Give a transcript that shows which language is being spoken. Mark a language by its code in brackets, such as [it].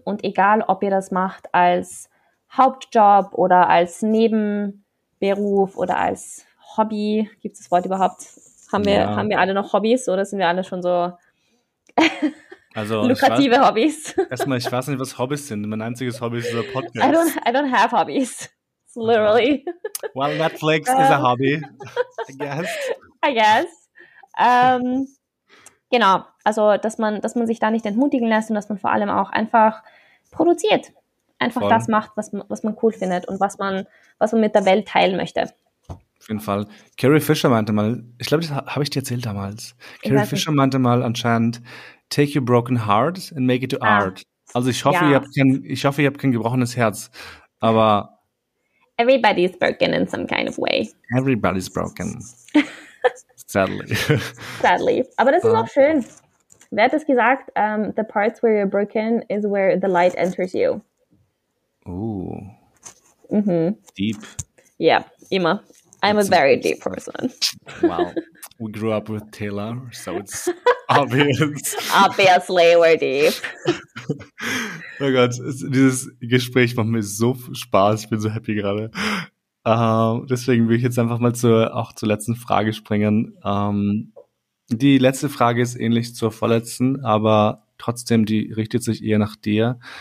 [de] Und egal, ob ihr das macht als Hauptjob oder als Nebenberuf oder als Hobby, gibt es das Wort überhaupt? Haben wir alle noch Hobbys oder sind wir alle schon so also, lukrative Hobbys? Erstmal, ich weiß nicht, was Hobbys sind. Mein einziges Hobby ist der Podcast. [en] I don't have Hobbies. Literally. Okay. Well, Netflix is a hobby, I guess. [de] Genau, also dass man sich da nicht entmutigen lässt und dass man vor allem auch einfach produziert. Einfach voll. Das macht, was man cool findet und was man mit der Welt teilen möchte. Auf jeden Fall. Carrie Fisher meinte mal, ich glaube, das habe ich dir erzählt damals. Carrie Fisher meinte mal anscheinend, [en] take your broken heart and make it to art. [de] Also ich hoffe, ihr habt kein gebrochenes Herz, aber... [en] Everybody's broken in some kind of way. Everybody's broken. Sadly. Sadly. [de] Aber das ist auch schön. Wer hat das gesagt? [en] The parts where you're broken is where the light enters you. Ooh. Mm-hmm. Deep. Yeah, [de] immer. [en] I'm a very deep person. Wow. We grew up with Taylor, so it's obvious. Obviously, we're deep. [de] Oh Gott, dieses Gespräch macht mir so Spaß. Ich bin so happy gerade. Deswegen will ich jetzt einfach mal zur letzten Frage springen. Die letzte Frage ist ähnlich zur vorletzten, aber trotzdem, die richtet sich eher nach dir.